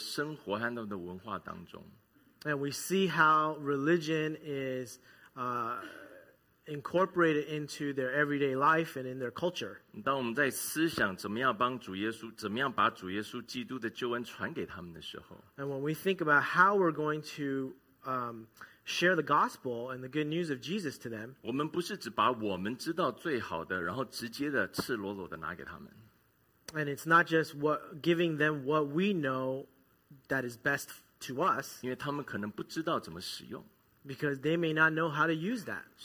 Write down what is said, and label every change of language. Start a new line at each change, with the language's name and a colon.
Chinese: 那他们的信仰，这个他的怎么样融合到他们的生活和他们的文化当中。
English: And we see how religion is incorporated into their everyday life and in their culture.
Chinese: 当我们在思想怎么样把主耶稣基督的救恩传给他们的时候,
English: and when we think about how we're going to share the gospel and the good news of Jesus to them,
Chinese: 我们不是只把我们知道最好的, 然后直接的赤裸裸的拿给他们。
English: And it's not just giving them what we know that is best to us,
Chinese: 因为他们可能不知道怎么使用。
English: Because they may not know how to use that.